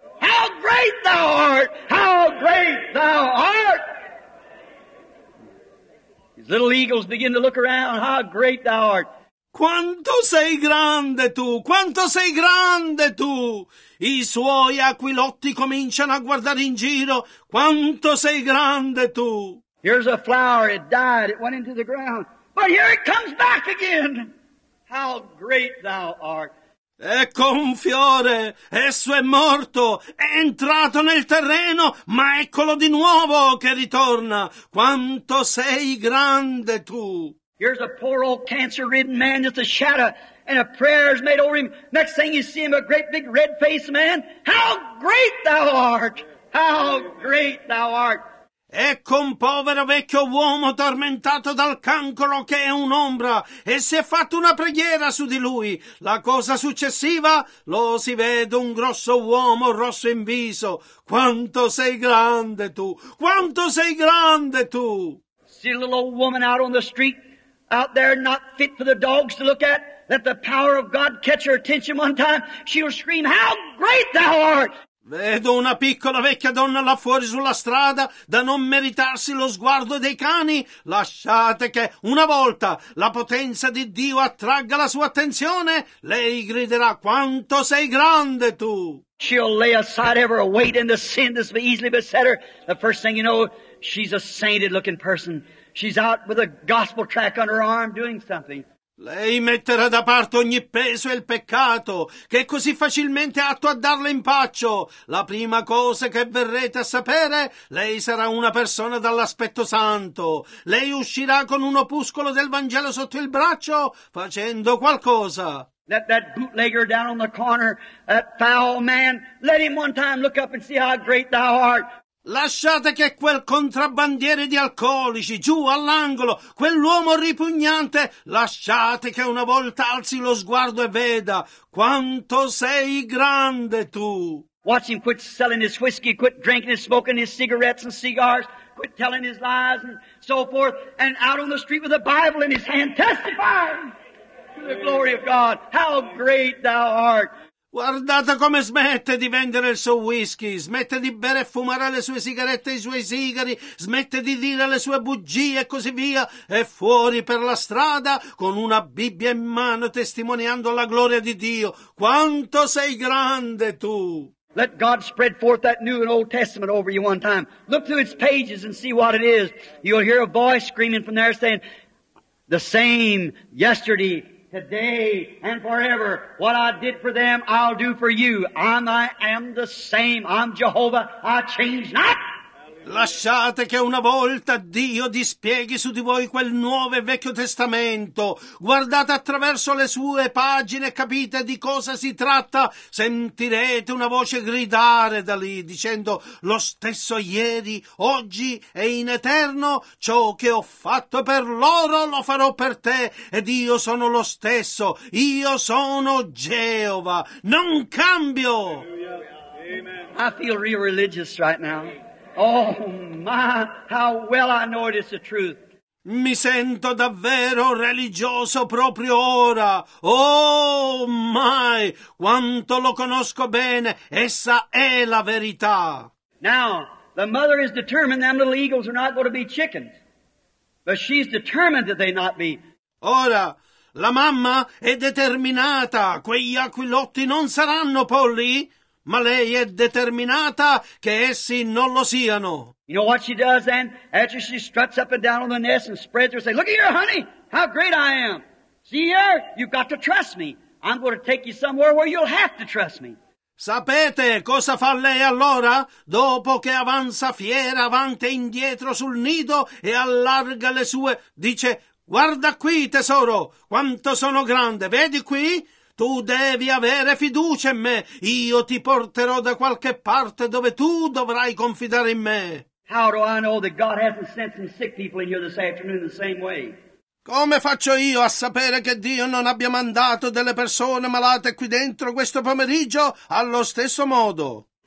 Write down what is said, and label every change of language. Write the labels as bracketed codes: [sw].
[en] How great thou art, how great thou art! These little eagles begin to look around, how great thou art! [it] Quanto sei grande tu, quanto sei grande tu! I suoi aquilotti cominciano a guardare in giro, quanto sei grande tu! [en] Here's a flower, it died, it went into the ground, but here it comes back again! How great thou art! [it] Ecco un fiore, esso è morto, è entrato nel terreno, ma eccolo di nuovo che ritorna, quanto sei grande tu! [en] Here's a poor old cancer-ridden man, just a shadow, and a prayer's made over him. Next thing you see him, a great big red-faced man. How great thou art! How great thou art! [it] Ecco un povero vecchio uomo tormentato dal cancro che è un'ombra, e si è fatto una preghiera su di lui. La cosa successiva, lo si vede un grosso uomo rosso in viso. Quanto sei grande tu! Quanto sei grande tu! [en] See a little old woman out on the street? Out there, not fit for the dogs to look at, let the power of God catch her attention one time, she'll scream, "How great thou art!" [it] Vedo una piccola vecchia donna là fuori sulla strada, da non meritarsi lo sguardo dei cani. Lasciate che, una volta, la potenza di Dio attragga la sua attenzione, lei griderà, "Quanto sei grande tu!" [en] She'll lay aside ever a weight and the sin that's easily beset her. The first thing you know, she's a sainted-looking person. She's out with a gospel track under her arm doing something. [it] Lei metterà da parte ogni peso e il peccato che è così facilmente atto a darle in pace. La prima cosa che verrete a sapere, lei sarà una persona dall'aspetto santo. Lei uscirà con un opuscolo del Vangelo sotto il braccio facendo qualcosa. [en] That bootlegger down on the corner, that foul man, let him one time look up and see how great thou art. [it] Lasciate che quel contrabbandiere di alcolici giù all'angolo, quell'uomo ripugnante, lasciate che una volta alzi lo sguardo e veda quanto sei grande tu. [en] Watch him quit selling his whiskey, quit drinking and smoking his cigarettes and cigars, quit telling his lies and so forth, and out on the street with a Bible in his hand, testifying to the glory of God, how great thou art. [it] Guardate come smette di vendere il suo whisky, smette di bere e fumare le sue sigarette e i suoi sigari, smette di dire le sue bugie e così via, e fuori per la strada con una Bibbia in mano testimoniando la gloria di Dio. Quanto sei grande tu! [en] Let God spread forth that new and old testament over you one time. Look through its pages and see what it is. You'll hear a voice screaming from there saying, the same yesterday, today and forever, what I did for them, I'll do for you. I am the same. I'm Jehovah. I change not. [it] Lasciate che una volta Dio dispieghi su di voi quel nuovo e vecchio testamento. Guardate attraverso le sue pagine e capite di cosa si tratta. Sentirete una voce gridare da lì dicendo lo stesso ieri, oggi e in eterno. Ciò che ho fatto per loro lo farò per te ed io sono lo stesso. Io sono Geova. Non cambio. [en] I feel real religious right now. Oh my, how well I know it is the truth. [it] Mi sento davvero religioso proprio ora. [en] Oh my, [it] quanto lo conosco bene. Essa è la verità. [en] Now, the mother is determined them little eagles are not going to be chickens. But she's determined that they not be. [it] Ora, la mamma è determinata. Quegli aquilotti non saranno polli. Ma lei è determinata che essi non lo siano. [en] You know what she does then? After she struts up and down on the nest and spreads her, say, look at here, honey, how great I am. See here, you've got to trust me. I'm going to take you somewhere where you'll have to trust me. [it] Sapete cosa fa lei allora? Dopo che avanza fiera avanti e indietro sul nido e allarga le sue, dice: guarda qui, tesoro, quanto sono grande, vedi qui? Tu devi avere fiducia in me, io ti porterò da qualche parte dove tu dovrai confidare in me. [en] How do I know that God hasn't sent some sick people in here this afternoon the same way? [it] Come faccio io a sapere che Dio non abbia mandato delle persone malate qui dentro questo pomeriggio allo stesso modo?